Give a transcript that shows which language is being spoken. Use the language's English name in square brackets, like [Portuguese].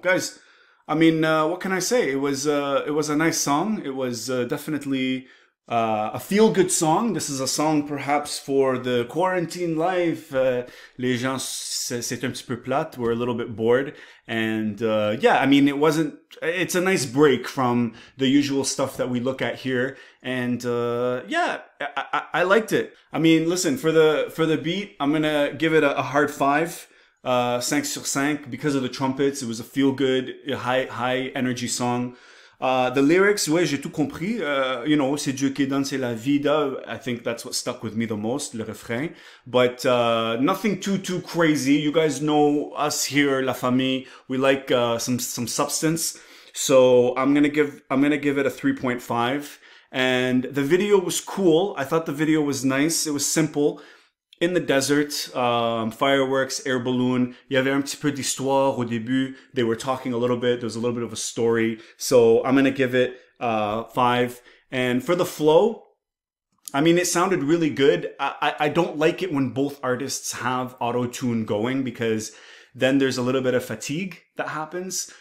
[English] Guys, I mean, what can I say? It was a nice song. It was definitely a feel-good song. This is a song perhaps for the quarantine life. [French] Les gens, c'est un petit peu plate. [English] We're a little bit bored. And yeah, I mean, it's a nice break from the usual stuff that we look at here. And yeah, I liked it. I mean, listen, for the beat, I'm going to give it a hard 5. [French] 5 sur 5 [English] because of the trumpets. It was a feel-good, high energy song. The lyrics, [French] ouais, j'ai tout compris. [English] You know, [French] c'est Dieu qui donne, c'est la vida. [English] I think that's what stuck with me the most, [French] le refrain. [English] But nothing too crazy. You guys know us here, [French] la famille. [English] We like some substance. So I'm gonna give it a 3.5. And the video was cool. I thought the video was nice. It was simple. In the desert, fireworks, air balloon. [French] Il y avait un petit peu d'histoire au début. [English] They were talking a little bit. There was a little bit of a story. So I'm going to give it 5. And for the flow, I mean, it sounded really good. I don't like it when both artists have auto-tune going because then there's a little bit of fatigue that happens.